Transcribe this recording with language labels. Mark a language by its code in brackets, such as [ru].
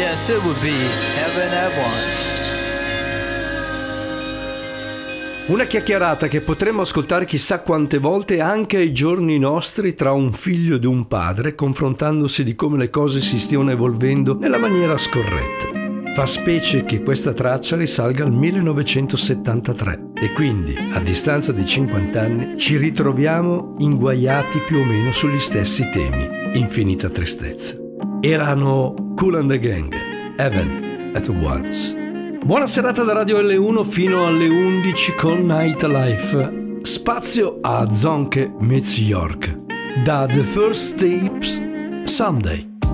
[en] It would be heaven at once. [it] Una chiacchierata che potremmo ascoltare chissà quante volte anche ai giorni nostri tra un figlio ed un padre, confrontandosi di come le cose si stiano evolvendo nella maniera scorretta. Fa specie che questa traccia risalga al 1973 e quindi, a distanza di 50 anni, ci ritroviamo inguaiati più o meno sugli stessi temi. Infinita tristezza. Erano Kool & The Gang, Heaven at Once. Buona serata da Radio L1 fino alle 11 con Nightlife. Spazio a Zonke Meets York. Da The First Tapes, Someday.